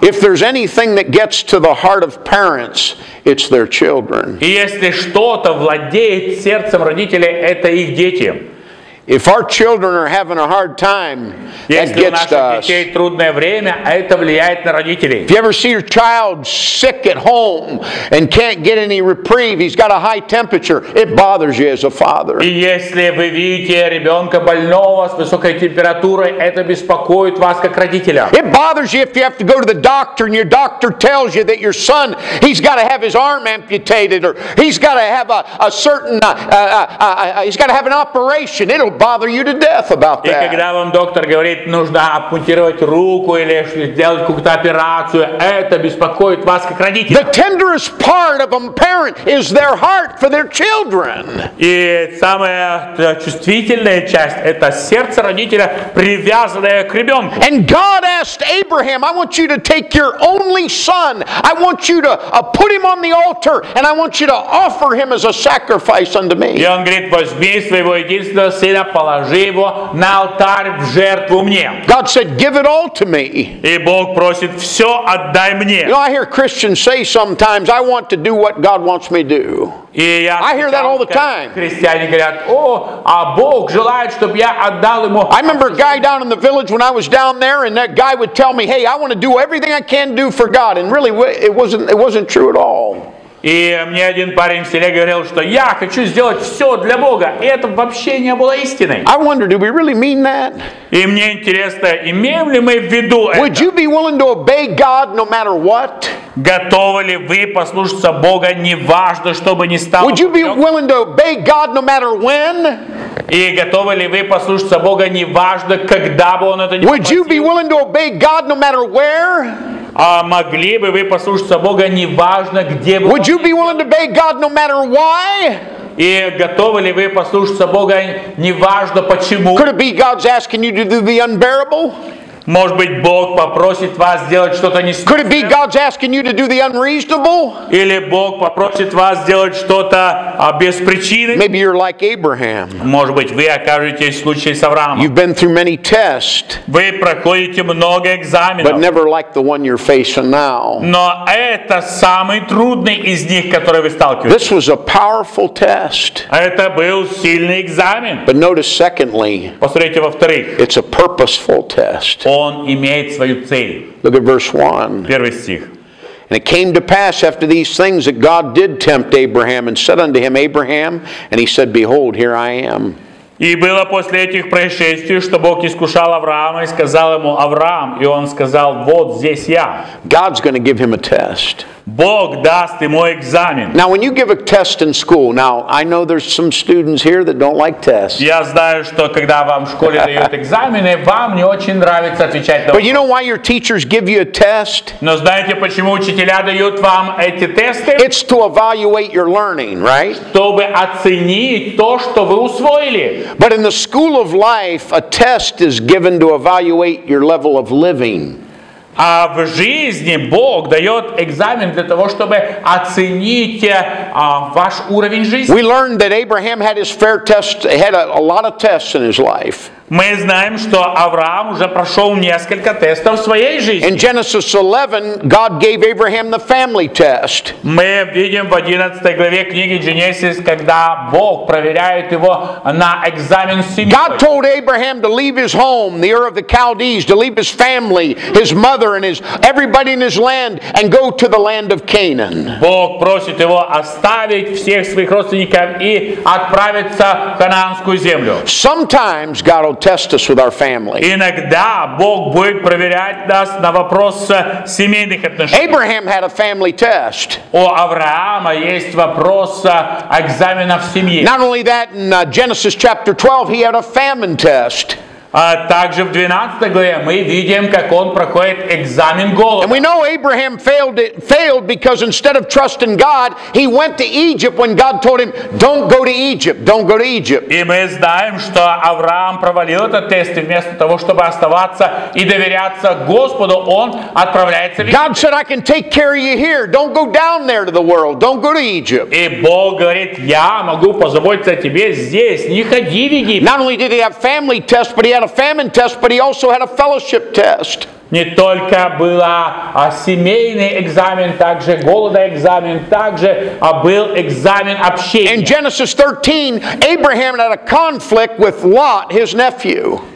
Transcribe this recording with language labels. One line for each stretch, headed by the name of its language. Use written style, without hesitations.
English: If there's anything that gets to the heart of parents, it's their children.
Russian: И если что-то владеет сердцем родителей, это их дети.
English: If our children are having a hard time, that gets to us.
Russian: Если у детей трудное время, это влияет на родителей.
English: If you ever see your child sick at home and can't get any reprieve, he's got a high temperature, it bothers you as a father.
Russian: И если вы видите ребенка больного с высокой температурой, это беспокоит вас как родителя.
English: It bothers you if you have to go to the doctor and your doctor tells you that your son, he's got to have his arm amputated or he's got to have a certain, he's got to have an operation. It'll bother you to death about that.
Russian: И когда вам доктор говорит, нужно ампутировать руку или сделать какую-то операцию, это беспокоит вас как родителя.
English: The tenderest part of a parent is their heart for their children.
Russian: И самая чувствительная часть — это сердце родителя, привязанное к ребенку.
English: And God asked Abraham, I want you to take your only son. I want you to put him on the altar and I want you to offer him as a sacrifice unto me.
Russian: И он говорит, возьми своего единственного сына, положи его на алтарь в жертву мне.
English: God said, give it all to me.
Russian: И Бог просит, все отдай мне.
English: You know, I hear Christians say sometimes, I want to do what God wants me to do. I hear that all the time.
Russian: Христиане говорят, о, а Бог желает, чтобы я отдал ему.
English: I remember a guy down in the village when I was down there, and that guy would tell me, hey, I want to do everything I can do for God, and really, it wasn't true at all.
Russian: И мне один парень в селе говорил, что я хочу сделать все для Бога. И это вообще не было истиной.
English: I wonder, do we really mean that?
Russian: И мне интересно, имеем ли мы в виду это?
English: Would you be willing to obey God no matter what?
Russian: Готовы ли вы послушаться Бога, неважно, что бы ни стало?
English: Would you be willing to obey God no matter when?
Russian: И готовы ли вы послушаться Бога, неважно, когда бы он это ни попросил?
English: Would you be willing to obey God no matter where?
Russian: А могли бы вы послушаться Бога, неважно, где бы...
English: Would you be willing to obey God no matter why?
Russian: И готовы ли вы послушаться Бога, неважно, почему?
English: Could it be God's asking you to do the unbearable?
Russian: Может быть, Бог попросит вас сделать что-то не...
English: Could it be God's asking you to do the unreasonable?
Russian: Или Бог попросит вас сделать что-то без причины?
English: Maybe you're like Abraham.
Russian: Может быть, вы окажетесь в случае с Авраамом.
English: You've been through many tests.
Russian: Вы проходите много экзаменов.
English: But never like the one you're facing now.
Russian: Но это самый трудный из них, который вы сталкиваетесь.
English: This was a powerful test.
Russian: Это был сильный экзамен.
English: But notice secondly.
Russian: Посмотрите во-вторых.
English: It's a purposeful test.
Russian: Он имеет свою цель.
English: Look at verse 1.
Russian: Первый стих.
English: And it came to pass after these things that God did tempt Abraham and said unto him, Abraham, and he said, behold, here I am.
Russian: И было после этих происшествий, что Бог искушал Авраама и сказал ему, Авраам, и он сказал, вот здесь я.
English: God's going to give him a test.
Russian: Бог даст ему экзамен.
English: Now, when you give a test in school, now I know there's some students here that don't like tests.
Russian: Я знаю, что когда вам в школе дают экзамены, вам не очень нравится отвечать на вопросы.
English: But you know why your teachers give you a test?
Russian: Но знаете, почему учителя дают вам эти тесты?
English: It's to evaluate your learning, right?
Russian: Чтобы оценить то, что вы усвоили.
English: But in the school of life, a test is given to evaluate your level of living.
Russian: А в жизни Бог дает экзамен для того, чтобы оценить ваш уровень жизни.
English: We learned that Abraham had his fair test, had a lot of tests in his life.
Russian: Мы знаем, что Авраам уже прошел несколько тестов в своей жизни.
English: In Genesis 11, God gave Abraham the family test.
Russian: Мы видим в 11 главе книги Genesis, когда Бог проверяет его на экзамен семьи.
English: God told Abraham to leave his home, the Ur of the Chaldees, to leave his family, his mother and his everybody in his land, and go to the land of Canaan.
Russian: Бог просит его оставить всех своих родственников и отправиться в Ханаанскую землю.
English: Sometimes God test us with our family.
Russian: Иногда Бог будет проверять нас на вопрос семейных отношений.
English: Abraham had a family test.
Russian: У Авраама есть вопрос экзамена в семье.
English: Not only that, in Genesis chapter 12, he had a famine test.
Russian: Также в 12 главе мы видим, как он проходит экзамен голода.
English: And we know Abraham failed because instead of trusting God, he went to Egypt when God told him, "Don't go to Egypt, don't go to Egypt."
Russian: И мы знаем, что Авраам провалил этот тест, и вместо того, чтобы оставаться и доверяться Господу, он отправляется в Египет.
English: God said, "I can take care of you here. Don't go down there to the world. Don't go to Egypt."
Russian: И Бог говорит, "Я могу позаботиться о тебе здесь. Не ходи в Египет."
English: Not only did he have family test, but he had a famine test, but he also had a fellowship test.
Russian: Не только был семейный экзамен, также голодный экзамен, также был экзамен общения.
English: In Genesis 13, Abraham had a conflict with Lot, his nephew.